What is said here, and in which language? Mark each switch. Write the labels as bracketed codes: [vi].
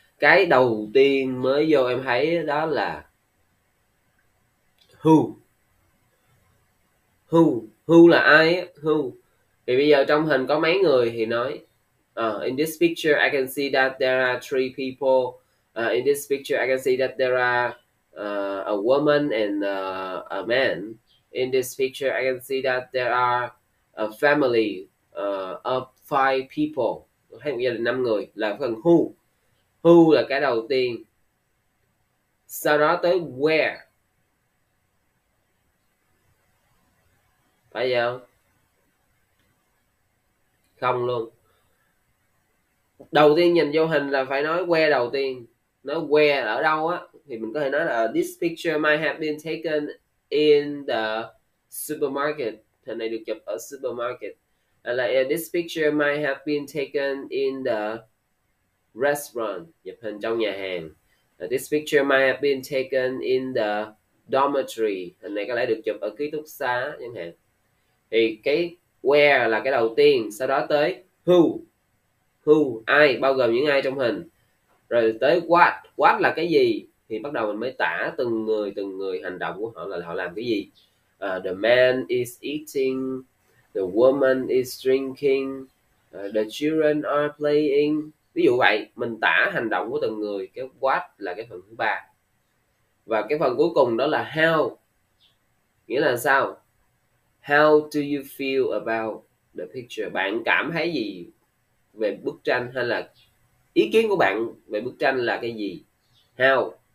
[vi] Cái đầu tiên mới vô em thấy đó là who. Who là ai? Who thì bây giờ trong hình có mấy người thì nói [en] in this picture I can see that there are three people. In this picture I can see that there are a woman and a man. In this picture, I can see that there are a family of five people. [vi] Hay một gia đình 5 người là phần who. Who là cái đầu tiên. Sau đó tới where. Phải vậy không? Không luôn. Đầu tiên nhìn vô hình là phải nói where đầu tiên. Nói where là ở đâu á, thì mình có thể nói là [en] this picture might have been taken in the supermarket. [vi] Hình này được chụp ở supermarket. Hay là [en] this picture might have been taken in the restaurant. [vi] Chụp hình trong nhà hàng. [en] This picture might have been taken in the dormitory. [vi] Hình này có lẽ được chụp ở ký túc xá chẳng hạn. Thì cái where là cái đầu tiên, sau đó tới who. Who ai, bao gồm những ai trong hình. Rồi tới what. What là cái gì, thì bắt đầu mình mới tả từng người hành động của họ là họ làm cái gì. [en] The man is eating, the woman is drinking, the children are playing. [vi] Ví dụ vậy, mình tả hành động của từng người, cái what là cái phần thứ ba. Và cái phần cuối cùng đó là how. Nghĩa là sao? [en] How do you feel about the picture? [vi] Bạn cảm thấy gì về bức tranh, hay là ý kiến của bạn về bức tranh là cái gì? How.